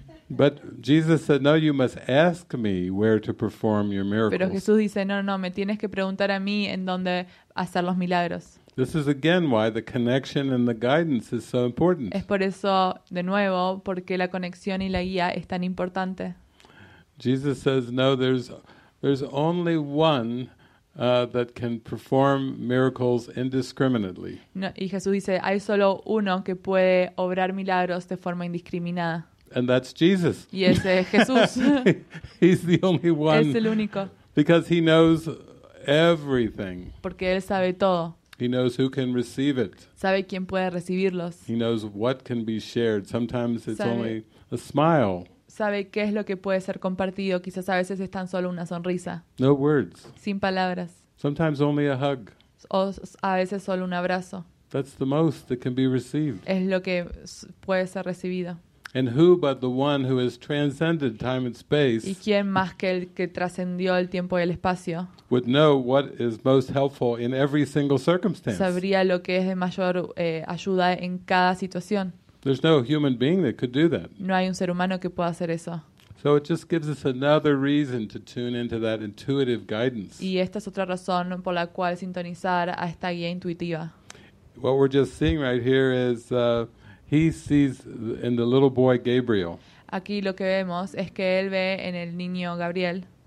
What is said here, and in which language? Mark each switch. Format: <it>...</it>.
<en>But Jesus said, no, you must ask me where to perform your miracles.</en> <es>Pero Jesús dice, no, me tienes que preguntar a mí en dónde hacer los milagros.</es> <en>This is again why the connection and the guidance is so important.</en> <es>Es por eso, de nuevo, porque la conexión y la guía es tan importante.</es> <en>Jesus says, no, there's only one that can perform miracles indiscriminately.</en> <es>No, y Jesús dice, hay solo uno que puede obrar milagros de forma indiscriminada.</es> <en>And that's Jesus.</en> <es>Y ese es Jesús.</es> <en>He's the only one.</en> <es>Es el único.</es> <en>Because he knows everything.</en> <es>Porque él sabe todo.</es> <en>He knows who can receive it.</en> <es>Sabe quién puede recibirlos.</es> <en>He knows what can be shared. Sometimes it's only a smile.</en> <es>Sabe qué es lo que puede ser compartido. Quizás a veces es tan solo una sonrisa.</es> <en>No words.</en> <es>Sin palabras.</es> <en>Sometimes only a hug.</en> <es>O a veces solo un abrazo.</es> <en>That's the most that can be received.</en> <es>Es lo que puede ser recibido.</es> <en>And who but the one who has transcended time and space?</en> <es>¿Y quién más que el que trascendió el tiempo y el espacio?</es> <en>Would know what is most helpful in every single circumstance.</en> <es>Sabría lo que es de mayor ayuda en cada situación.</es> <en>There's no human being that could do that.</en> <es>No hay un ser humano que pueda hacer eso.</es> <en>So it just gives us another reason to tune into that intuitive guidance.</en> <es>Y esta es otra razón por la cual sintonizar a esta guía intuitiva.</es> <en>What we're just seeing right here is he sees in the little boy Gabriel.</en> <es>Aquí lo que vemos es que él ve en el niño Gabriel.</es>